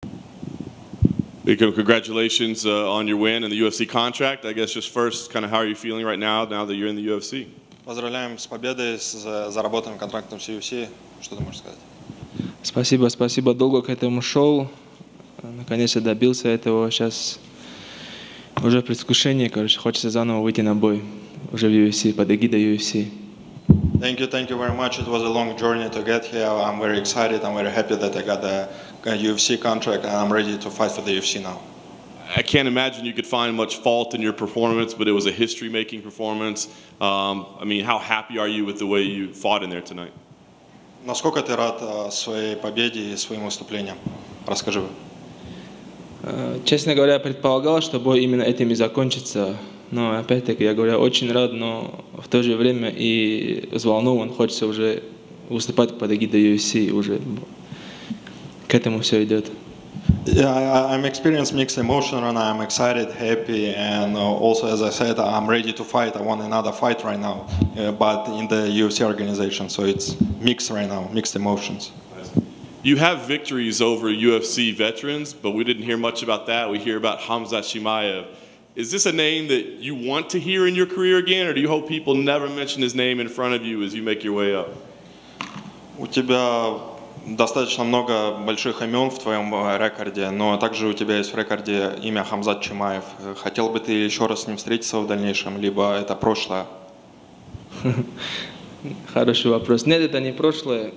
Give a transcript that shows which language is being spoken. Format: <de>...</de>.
<en>Ikram, congratulations on your win and the UFC contract. I guess just first, kind of how are you feeling right now, now that you're in the UFC?</en> <ru>Поздравляем с победой, с заработанным контрактом с UFC. Что ты можешь сказать? Спасибо, спасибо. Долго к этому шел. Наконец-то добился этого. Сейчас уже предвкушение, короче, хочется заново выйти на бой. Уже в UFC, под эгидой UFC.</ru> <en>Thank you very much. It was a long journey to get here. I'm very excited. I'm very happy that I got the UFC contract and I'm ready to fight for the UFC now. I can't imagine you could find much fault in your performance, but it was a history-making performance. I mean, how happy are you with the way you fought in there tonight?</en> <ru>Насколько ты рад своей победе и своим выступлением? Расскажи. Честно говоря, предполагал, что бой именно этим и закончится. Но опять-таки, я говорю, очень рад, но в то же время и взволнован, хочется уже выступать под эгидой UFC, уже к этому все идет.</ru> <en>Yeah, I'm experienced mixed emotion and I'm excited, happy, and also, as I said, I'm ready to fight. I want another fight right now, but in the UFC organization, so it's mixed right now, mixed emotions. You have victories over UFC veterans, but we didn't hear much about that. We hear about Khamzat Chimaev. Is this a name that you want to hear in your career again, or do you hope people never mention his name in front of you as you make your way up?</en> <ru>У тебя достаточно много больших имен в твоем рекорде, но также у тебя есть в рекорде имя Khamzat Chimaev. Хотел бы ты еще раз с ним встретиться в дальнейшем, либо это прошлое? Хороший вопрос. Нет, это не прошлое.</ru>